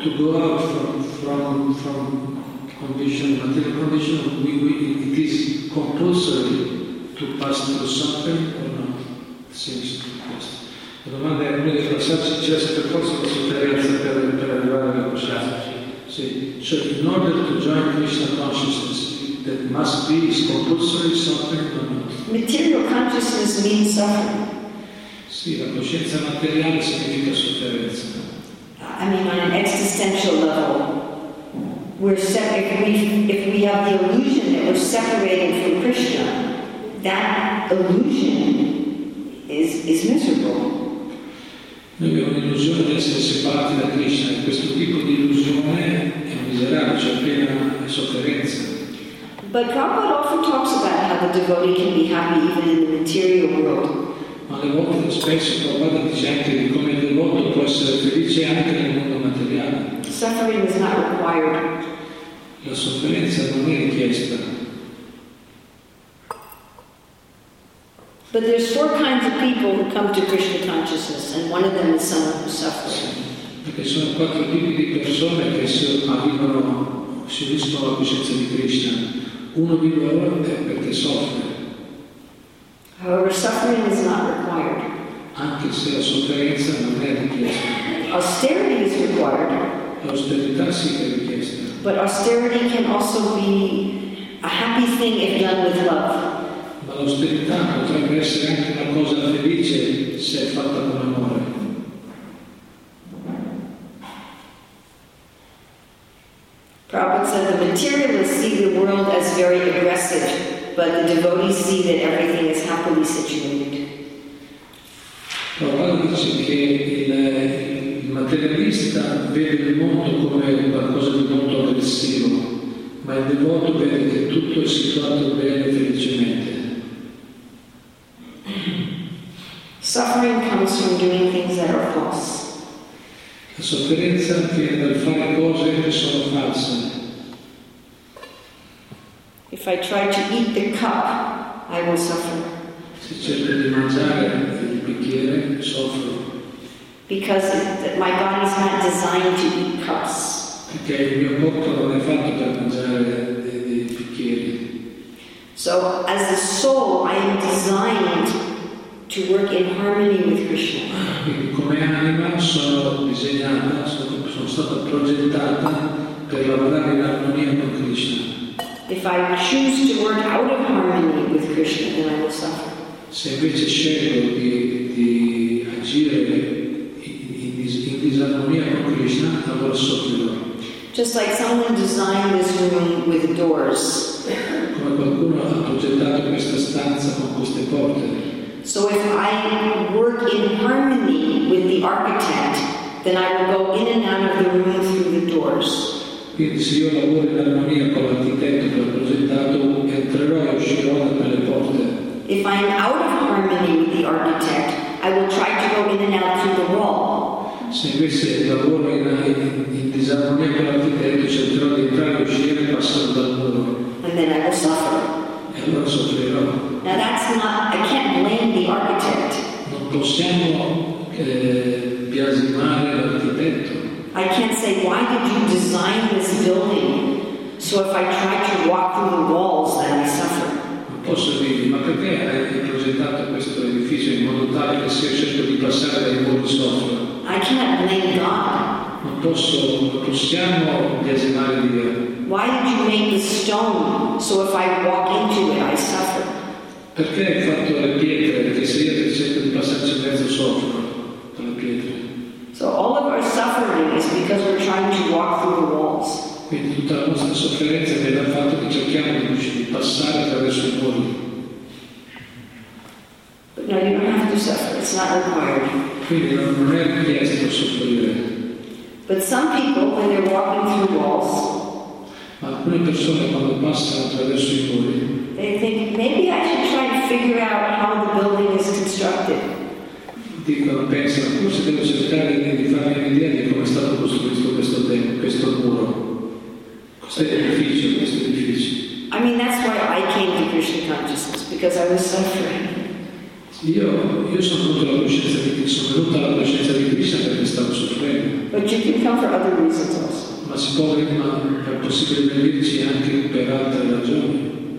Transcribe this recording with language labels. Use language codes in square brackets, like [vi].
[en] to go out from conditioned material condition, it is compulsory to pass through suffering or not? Seems to be possible. [it] La domanda è quindi fra sassi c'è se per forza la sofferenza per arrivare alla coscienza. Sì. [en] So in order to join Krishna consciousness, there must be is compulsory suffering or not? Material consciousness means suffering. [it] Sì, la coscienza materiale significa sofferenza. [en] I mean, on an existential level, if we have the illusion that we're separated from Krishna, that illusion is miserable. [it] Noi abbiamo l'illusione di essere separati da Krishna, e questo tipo di illusione è miserabile, cioè piena di sofferenza. [en] But Prabhupada often talks about how the devotee can be happy even in the material world. [it] Ma le volte spesso Prabhupada dice anche di come il devoto può essere felice anche nel mondo materiale. [en] Suffering is not required. [it] La sofferenza non è richiesta. [en] But there's four kinds of people who come to Krishna consciousness, and one of them is someone who suffers. [it] Perché sono quattro tipi di persone che si uniscono alla coscienza di Krishna. Uno di loro è perché soffre. [en] However, suffering is not required. [it] Anche se la sofferenza non è richiesta. [en] Austerity is required. [it] L'austerità sì è richiesta. [en] But austerity can also be a happy thing if done with love. [it] L'austerità potrebbe essere anche una cosa felice se è fatta con amore. [en] Prabhupada said the materialists see the world as very aggressive, but the devotees see that everything is happily situated. [it] Prabhupada dice che il materialista vede il mondo come qualcosa di molto aggressivo, ma il devoto vede che tutto è situato bene e felicemente. [en] Suffering comes from doing things that are false. [it] La sofferenza viene dal fare cose che sono false. [en] If I try to eat the cup, I will suffer. [it] Se cerco di mangiare il bicchiere, soffro. [en] Because my body is not designed to eat cups. [it] Perché il mio corpo non è fatto per mangiare dei bicchieri. [en] So, as a soul, I am designed to work in harmony with Krishna. [it] Come anima sono stata progettata per lavorare in armonia con Krishna. [en] If I choose to work out of harmony with Krishna, then I will suffer. [it] Se invece scelgo di agire in disarmonia con Krishna, allora soffrirò. [en] Just like someone designed this room with doors. [it] Come qualcuno ha progettato questa stanza con queste porte. [en] So if I work in harmony with the architect, then I will go in and out of the room through the doors. [it] Quindi se io lavoro in armonia con l'architetto che ho progettato, entrerò e uscirò dalle porte. [en] If I am out of harmony with the architect, I will try to go in and out through the wall. [it] Se invece lavoro in disarmonia con l'architetto, cercherò di entrare e uscire passando dal muro. [en] And then I will suffer. [it] E allora soffrirò. [en] Now that's not, I can't blame the architect. [it] Non possiamo biasimare l'architetto. [en] I can't say, why did you design this building? So if I try to walk through the walls, then I suffer. [it] Non posso dire, ma perché hai progettato questo edificio in modo tale che sia scelto di passare dai muri soffro? [en] I can't blame God. [it] Non possiamo biasimare Dio. [en] Why did you make the stone? So if I walk into it, I suffer. [it] Perché hai fatto le pietre? Perché se io cerco di passarci in mezzo soffro con le pietre. [en] So all of our suffering is because we're trying to walk through the walls. [it] Quindi tutta la nostra sofferenza viene dal fatto che cerchiamo di passare attraverso i muri. [en] But no, you don't have to suffer. It's not required. [it] Quindi non è richiesto soffrire. [en] But some people, when they're walking through walls, [it] ma alcune persone quando passano attraverso i muri, [en] they think, maybe I should try to figure out how the building is constructed. [it] Dicono, pensano, forse devo cercare di farmi un'idea di come è stato costruito questo muro. Cos'è l'edificio, questo edificio? [en] I mean, that's why I came to Krishna consciousness, because I was suffering. [it] Io sono venuto alla coscienza di Krishna perché stavo soffrendo. [en] But you can come for other reasons also. [it] ma si può rimanere, è possibile benedirci anche per altre ragioni.